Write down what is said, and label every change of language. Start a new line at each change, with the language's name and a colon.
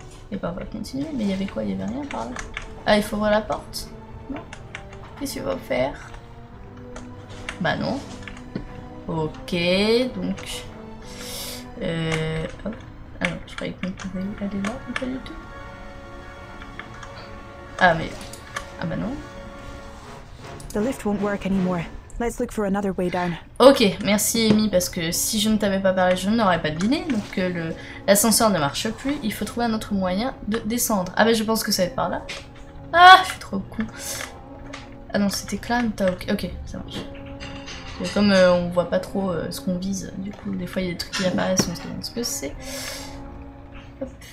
French: Et bah on va continuer, mais il y avait quoi? Il y avait rien par là. Ah, il faut ouvrir la porte? Non. Qu'est-ce qu'il faut faire? Bah non. Ok, donc... Hop. Ah non, je croyais qu'on pouvait aller là, mais pas du tout. Ah mais... Ah bah non.
English: The lift won't work anymore. Let's look for another way down.
French: Ok, merci Amy, parce que si je ne t'avais pas parlé, je n'aurais pas deviné. Donc l'ascenseur ne marche plus, il faut trouver un autre moyen de descendre. Ah bah je pense que ça va être par là. Ah, je suis trop con. Ah non, c'était Clan Talk. Ok, ça marche. Comme on voit pas trop ce qu'on vise, du coup, des fois il y a des trucs qui apparaissent, on se demande ce que c'est. Hop.